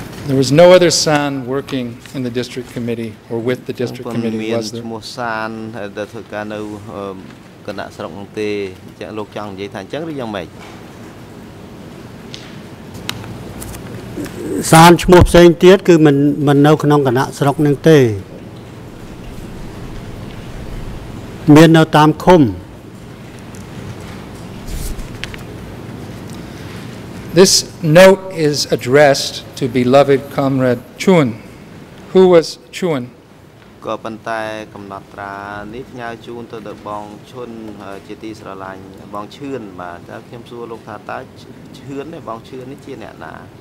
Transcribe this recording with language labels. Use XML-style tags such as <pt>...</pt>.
<en>There was no other San working in the district committee or with the district committee, was there?</en> <km>មានឈ្មោះសានដែលធ្វើការនៅគណៈស្រុកនោះទេអញ្ចឹងលោកចង់និយាយថាអញ្ចឹងឬយ៉ាងម៉េច សានឈ្មោះផ្សេងទៀតគឺមិននៅក្នុងគណៈស្រុកនឹងទេ មាននៅតាមឃុំ</km> <en>This note is addressed to beloved comrade Chuan. Who was Chuan?</en> <km>ក៏ប៉ុន្តែកំណត់ត្រានេះផ្ញើជូនទៅដល់បងឈុនជាទីស្រឡាញ់បងឈឿនបាទតែខ្ញុំសួរលោកថាតើឈឿននេះបងឈឿននេះជាអ្នកណា</km>